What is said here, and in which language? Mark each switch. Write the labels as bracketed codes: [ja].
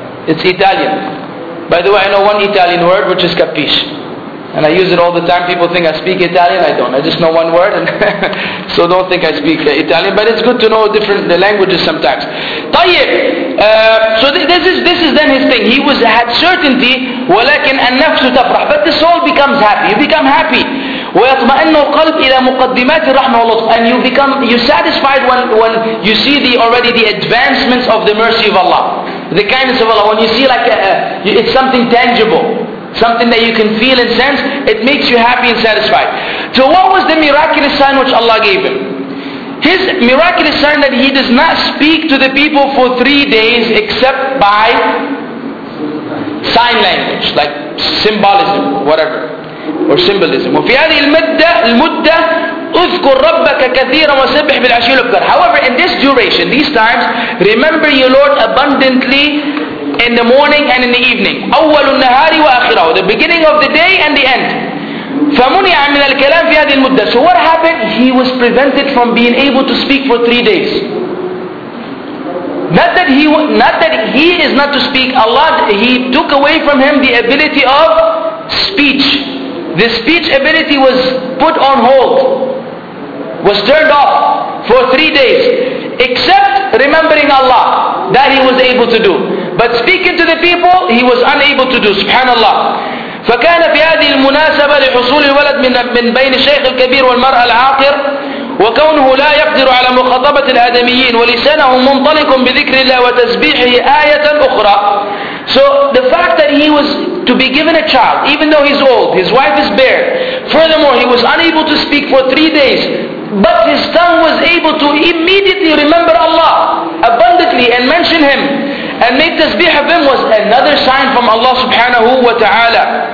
[en] It's Italian. By the way, I know one Italian word, which is capish. And I use it all the time. People think I speak Italian. I don't. I just know one word. So don't think I speak Italian. But it's good to know different languages sometimes. [ar] طيب. [en] So this is then his thing. He had certainty. [ar] ولكن النفس تفرح. [en] But the soul becomes happy. You become happy. [ar] ويطمئن القلب إلى مقدمات الرحمة والله. [en] And you become, you're satisfied when you see already the advancements of the mercy of Allah. The kindness of Allah. When you see like it's something tangible. Something that you can feel and sense, it makes you happy and satisfied. So what was the miraculous sign which Allah gave him? His miraculous sign that he does not speak to the people for 3 days except by sign language, like symbolism, whatever, or symbolism. [ar] وفي هذه المدة أذكر ربك كثيرا وسبح بالعشي والإبكار. [en] However, in this duration, these times, remember your Lord abundantly in the morning and in the evening. [ar] أول النهار وآخره. [en] The beginning of the day and the end. [ar] فمنع من الكلام في هذه المدة. [en] So what happened? He was prevented from being able to speak for 3 days. Not that he is not to speak. Allah, He took away from him the ability of speech. The speech ability was put on hold. Was turned off for 3 days. Except remembering Allah, that he was able to do. But speaking to the people, he was unable to do. Subhanallah. [ar] فكان في هذه المناسبة لحصول الولد من بين الشيخ الكبير والمرأة العاقر وكونه لا يقدر على مخاطبة الآدميين ولسانه منطلق بذكر الله وتسبيحه آية أخرى. [en] So the fact that he was to be given a child, even though he's old, his wife is barren. Furthermore, he was unable to speak for 3 days. But his tongue was able to immediately remember Allah abundantly and mention Him and make tasbih of Him was another sign from Allah subhanahu wa ta'ala.